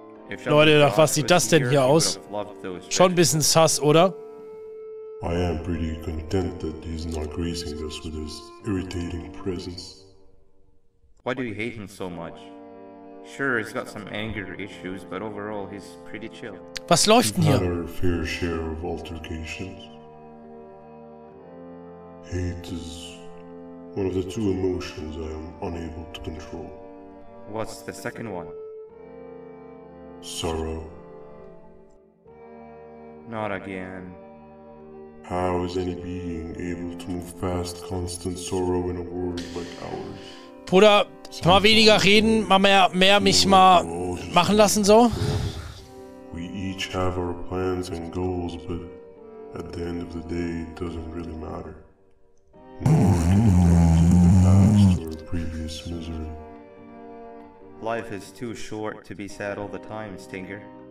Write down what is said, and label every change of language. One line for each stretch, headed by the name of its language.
German: if Leute, doch, was sieht das denn hier aus? Schon ein bisschen sus, oder?
English: I am pretty content that he's not gracing us with his irritating presence. Why do you hate him so much? Sure, he's got some anger issues, but overall he's pretty chill.
German: Was läuft denn hier?
English: We've had our fair share of altercations. Hate is one of the two emotions I am unable to control. What's the second one? Sorrow. Not again. How is any being able to move past constant sorrow in a world like ours?
German: Bruder, mal weniger reden, mal mehr mich mal machen lassen, so.
English: We each have our plans and goals, but at the end of the day, it doesn't really matter. No one can go back to the past or previous misery. Life is too short to be sad all the time, Stinger.